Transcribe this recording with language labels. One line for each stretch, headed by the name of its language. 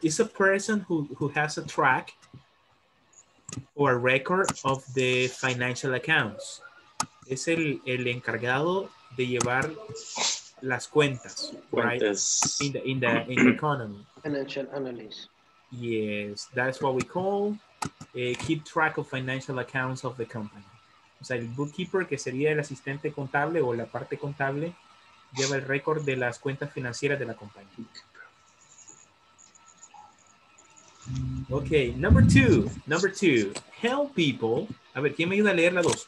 English: It's a person who has a track or a record of the financial accounts.
Spanish: Es el encargado de llevar las cuentas, right?
English: In the economy. Financial analyst. Yes, that's what we call keep track of financial accounts of the company.
Spanish: O sea, el bookkeeper, que sería el asistente contable o la parte contable, lleva el récord de las cuentas financieras de la compañía.
English: Okay, number two, help people.
Spanish: A ver, ¿quién me ayuda a leer la dos?